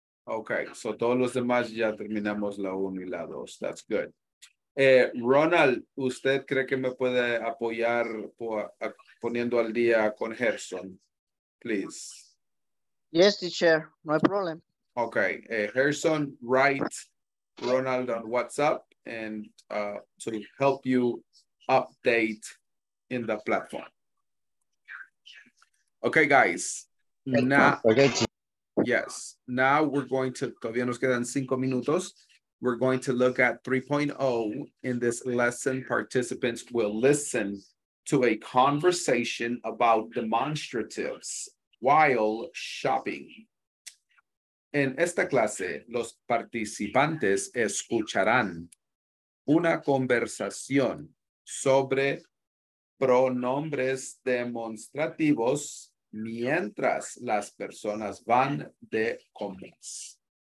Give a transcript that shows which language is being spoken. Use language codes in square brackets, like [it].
[en] Ok, so [es] todos los demás ya terminamos la 1 y la 2. [en] That's good. [es] Ronald, ¿usted cree que me puede apoyar poniendo al día con Gerson? [en] Please. Yes, teacher. [es] No hay problema. [en] Ok. Gerson, write Ronald on WhatsApp and to help you update in the platform. Ok, guys. Yes. Now we're going to, [es] todavía nos quedan 5 minutos. [en] We're going to look at 3.0. In this lesson, participants will listen to a conversation about demonstratives while shopping. [es] En esta clase, los participantes escucharán una conversación sobre pronombres demostrativos mientras las personas van de compras.